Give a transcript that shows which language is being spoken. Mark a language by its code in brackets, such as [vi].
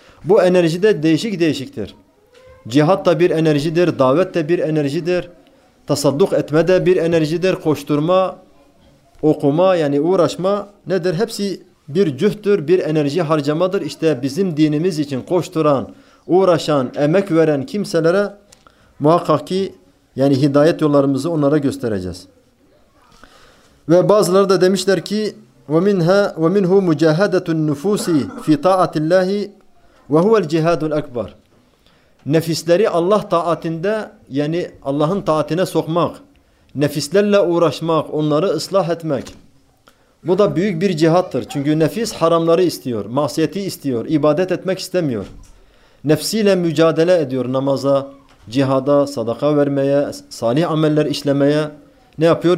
[tr] Bu enerji de değişik değişiktir. Cihad da bir enerjidir, davet de bir enerjidir, tasadduk etme de bir enerjidir, koşturma, okuma, yani uğraşma nedir? Hepsi bir cühddür, bir enerji harcamadır. İşte bizim dinimiz için koşturan, uğraşan, emek veren kimselere muhakkak ki yani hidayet yollarımızı onlara göstereceğiz. Ve bazıları da demişler ki [ar] وَمِنْهُ مُجَاهَدَةُ النُّفُوسِ فِي تَعَةِ اللّٰهِ وَهُوَ الْجِهَادُ الْاَكْبَرِ. [tr] Nefisleri Allah taatinde, yani Allah'ın taatine sokmak, nefislerle uğraşmak, onları ıslah etmek. Bu da büyük bir cihattır. Çünkü nefis haramları istiyor, masiyeti istiyor, ibadet etmek istemiyor. Nefsiyle mücadele ediyor namaza, cihada, sadaka vermeye, salih ameller işlemeye. Ne yapıyor?